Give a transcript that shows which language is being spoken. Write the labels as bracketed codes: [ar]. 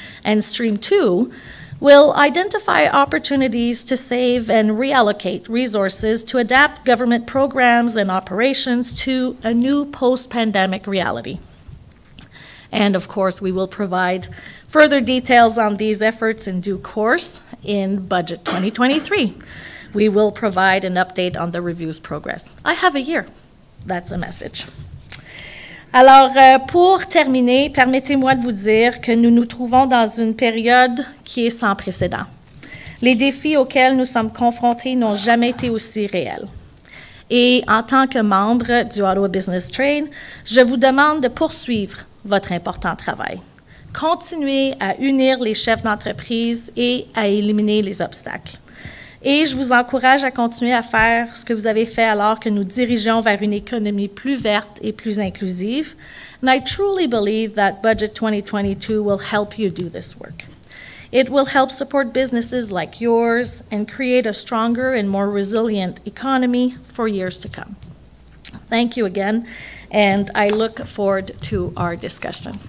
[en] And stream two will identify opportunities to save and reallocate resources to adapt government programs and operations to a new post-pandemic reality. And of course, we will provide further details on these efforts in due course in Budget 2023. We will provide an update on the review's progress. I have a year. That's a message. [fr] Alors, pour terminer, permettez-moi de vous dire que nous nous trouvons dans une période qui est sans précédent. Les défis auxquels nous sommes confrontés n'ont jamais été aussi réels. Et en tant que membre du Ottawa Business Train, je vous demande de poursuivre votre important travail. Continuez à unir les chefs d'entreprise et à éliminer les obstacles. Et je vous encourage à continuer à faire ce que vous avez fait alors que nous dirigeons vers une économie plus verte et plus inclusive. [en] And I truly believe that Budget 2022 will help you do this work. It will help support businesses like yours and create a stronger and more resilient economy for years to come. Thank you again, and I look forward to our discussion.